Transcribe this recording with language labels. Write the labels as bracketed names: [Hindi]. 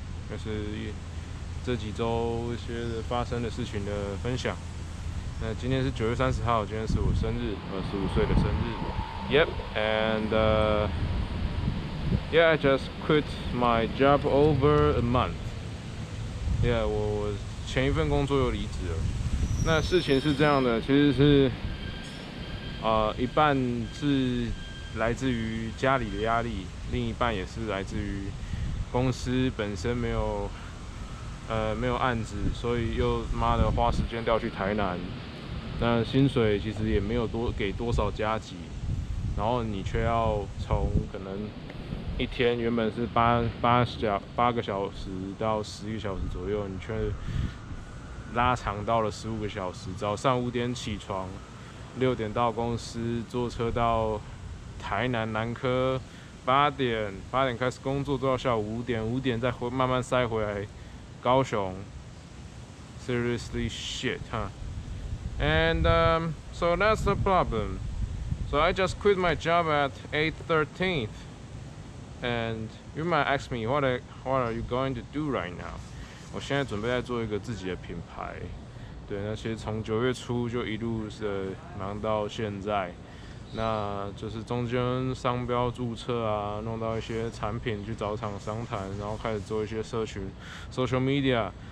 [Chinese] 就是这几周一些发生的事情的分享。那今天是9月30号，今天是我生日，25岁的生日。 [English] Yep, and I just quit my job over a month. [Chinese] Yeah, 我前一份工作又离职了。那事情是这样的，其实是一半是来自于家里的压力，另一半也是来自于公司本身没有案子，所以又妈的花时间调去台南。那薪水其实也没有多给多少加急。然后你却要从可能一天原本是八个小时到11个小时左右，你却拉长到了15个小时。早上5点起床，6点到公司，坐车到台南南科，八点开始工作，做到下午5点，5点再慢慢塞回来高雄。 [English] Seriously shit, huh? And so that's the problem. So I just quit my job at 8:13, and you might ask me what are you going to do right now? [Chinese] 我现在准备在做一个自己的品牌，对，那其实从九月初就一路是忙到现在，那就是中间商标注册啊，弄到一些产品去找厂商谈，然后开始做一些社群 social media。